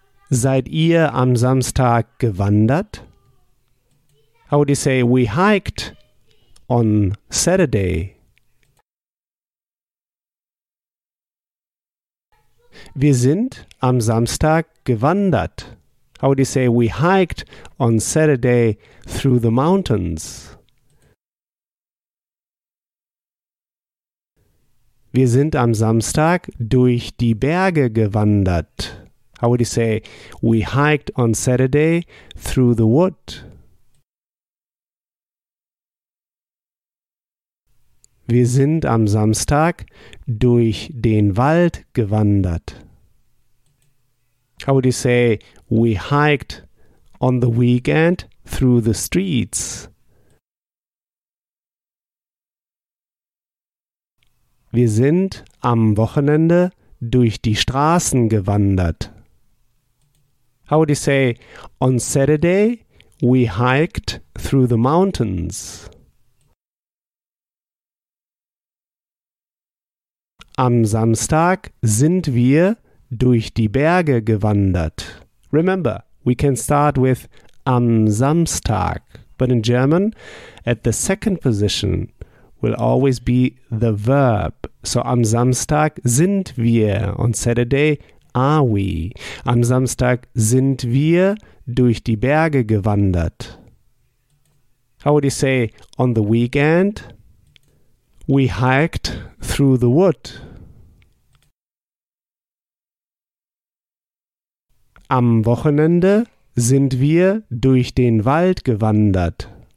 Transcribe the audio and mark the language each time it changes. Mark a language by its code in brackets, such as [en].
[de] Seid ihr am Samstag gewandert? [en] How would you say, we hiked on Saturday? [de] Wir sind am Samstag gewandert. [en] How would you say, we hiked on Saturday through the mountains? [de] Wir sind am Samstag durch die Berge gewandert. [en] How would you say, we hiked on Saturday through the wood? [de] Wir sind am Samstag durch den Wald gewandert. [en] How would you say, we hiked on the weekend through the streets? [de] Wir sind am Wochenende durch die Straßen gewandert. [en] How would you say, on Saturday we hiked through the mountains? [de] Am Samstag sind wir durch die Berge gewandert. [en] Remember, we can start with [de] am Samstag, [en] but in German, at the second position will always be the verb. So [de] am Samstag sind wir, [en] on Saturday are we. [de] Am Samstag sind wir durch die Berge gewandert. [en] How would you say, on the weekend, we hiked through the wood. [de] Am Wochenende sind wir durch den Wald gewandert.